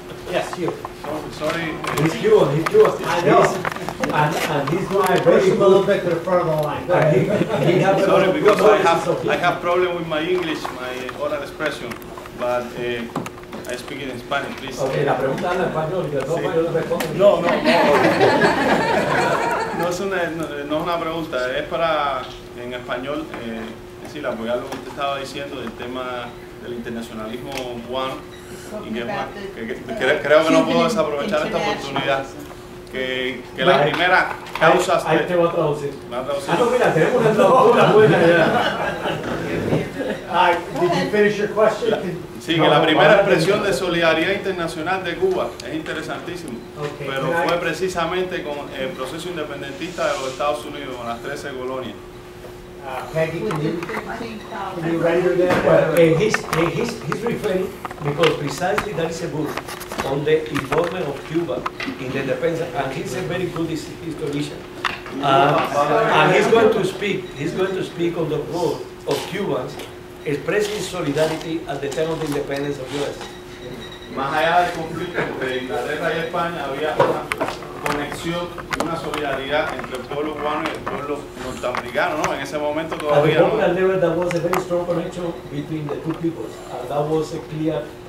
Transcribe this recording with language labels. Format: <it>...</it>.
<en>Yes, you. Sorry. He's Cuban. I know. And he's my very a little bit to the front of the line. I have problem with my English, my oral expression, but I speak it in Spanish, please.</en> <es>Okay, la pregunta en español, que no puedo responder. No. No es una pregunta, es para, en español, decir, apoyar lo que usted estaba diciendo del tema del internacionalismo cubano. Creo que no puedo desaprovechar esta oportunidad. Que la primera causa. Ahí te voy a traducir. Me va a traducir. No, mira, tenemos una buena idea.</es> <en>Did you finish your question?</en> <es>Sí, que la primera expresión de solidaridad internacional de Cuba es interesantísimo. Pero fue precisamente con el proceso independentista de los Estados Unidos, con las 13 colonias.</es> <en>Peggy, can you render that? Well, he's referring, because precisely that is a book on the involvement of Cuba in the independence, and he's a very good historian. And he's going to speak on the role of Cubans expressing solidarity at the time of the independence of U.S.</en> <es>Más allá del conflicto entre Inglaterra y España, había una conexión, una solidaridad entre el pueblo cubano y el pueblo norteamericano, ¿no? En ese momento todavía.</es> <en>At the moment, there was a very strong connection between the two peoples, and that was a clear</en>